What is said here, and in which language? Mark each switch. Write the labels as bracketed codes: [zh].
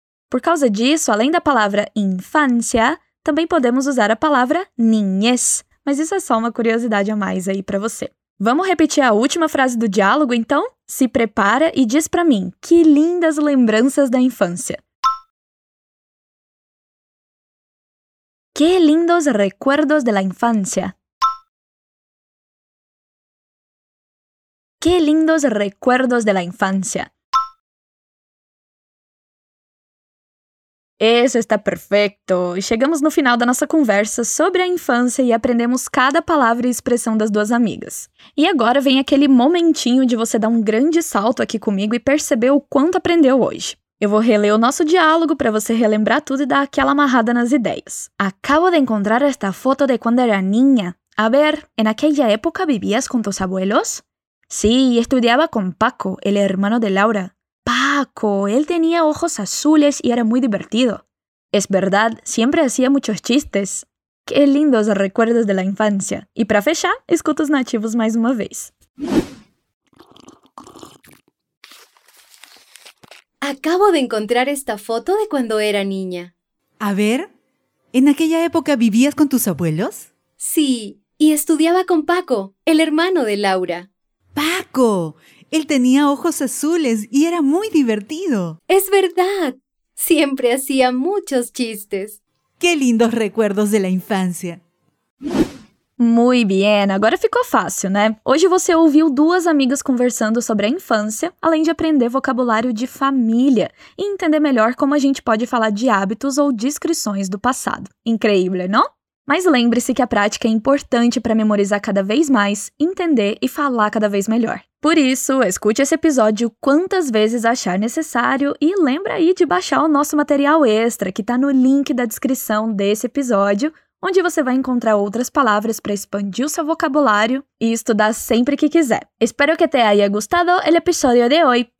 [pt] Por causa disso, além da palavra infância, também podemos usar a palavra niñez. Mas isso é só uma curiosidade a mais aí pra você. Vamos repetir a última frase do diálogo, então? Se prepara e diz pra mim. Que lindas lembranças da infância. [es] Que lindos recuerdos de la infancia. Que lindos recuerdos de la infancia. Eso está perfecto. [pt] Chegamos no final da nossa conversa sobre a infância e aprendemos cada palavra e expressão das duas amigas. E agora vem aquele momentinho de você dar um grande salto aqui comigo e perceber o quanto aprendeu hoje. Eu vou reler o nosso diálogo para você relembrar tudo e dar aquela amarrada nas ideias. [es] Acabo de encontrar esta foto de quando era niña. A ver, en aquella época vivías con tus abuelos? Sí, estudiaba con Paco, el hermano de Laura. Paco, él tenía ojos azules y era muy divertido. Es verdad, siempre hacía muchos chistes. Qué lindos recuerdos de la infancia. [pt] Y para fechar, escuta os nativos mais uma vez. [es] Acabo de encontrar esta foto de cuando era niña. A ver, ¿en aquella época vivías con tus abuelos? Sí, y estudiaba con Paco, el hermano de Laura. ¡Paco! Él tenía ojos azules y era muy divertido. ¡Es verdad! Siempre hacía muchos chistes. ¡Qué lindos recuerdos de la infancia! Muy bien, [pt] agora ficou fácil, né? Hoje você ouviu duas amigas conversando sobre a infância, além de aprender vocabulário de família e entender melhor como a gente pode falar de hábitos ou descrições do passado. Incrível, não? Mas lembre-se que a prática é importante para memorizar cada vez mais, entender e falar cada vez melhor. Por isso, escute esse episódio quantas vezes achar necessário e lembra aí de baixar o nosso material extra, que está no link da descrição desse episódio, onde você vai encontrar outras palavras para expandir o seu vocabulário e estudar sempre que quiser. [es] Espero que te haya gustado el episodio de hoy.